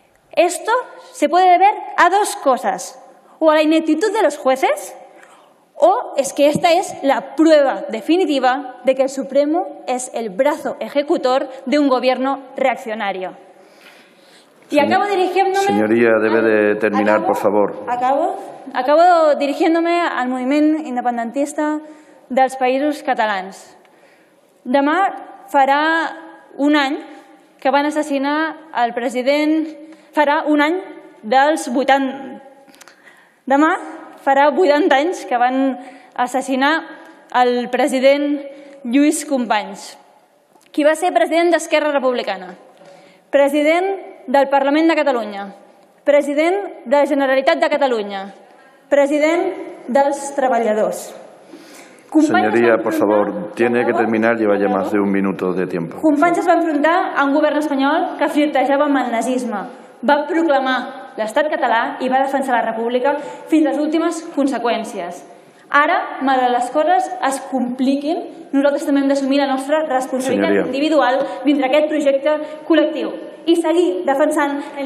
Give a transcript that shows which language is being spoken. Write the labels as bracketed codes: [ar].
[es] Esto se puede deber a dos cosas: o a la ineptitud de los jueces, o es que esta es la prueba definitiva de que el Supremo es el brazo ejecutor de un gobierno reaccionario. Y acabo dirigiéndome... Señoría, debe de terminar, por favor. Acabo dirigiéndome al movimiento independentista de los países catalanes. [ca] Demà farà un any que van assassinar el president... Farà un any dels 80... Demà farà 80 anys que van assassinar el president Lluís Companys, qui va ser president d'Esquerra Republicana, president del Parlament de Catalunya, president de la Generalitat de Catalunya, president dels treballadors. [es] Señoría, por favor, tiene que terminar, lleva ya más de un minuto de tiempo. [ca] Companys es va enfrontar a un govern espanyol que flirtejava amb el nazisme, va proclamar l'estat català i va defensar la república fins a les últimes conseqüències. Ara, malgrat les coses es compliquin, nosaltres també hem d'assumir la nostra responsabilitat Senyoria. Individual dintre aquest projecte col·lectiu i seguir defensant...